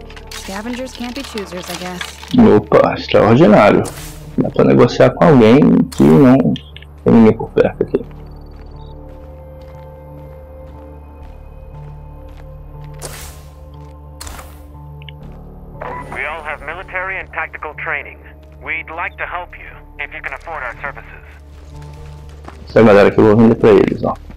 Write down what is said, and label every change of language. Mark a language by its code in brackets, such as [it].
[en] Scavengers can't be choosers, I guess. [pt] Opa, extraordinário. Dá pra negociar com alguém que não tem ninguém por perto aqui. [en] We all have military and tactical training. We'd like to help you if you can afford our services. [pt] Essa é a galera que eu vou vender pra eles, ó.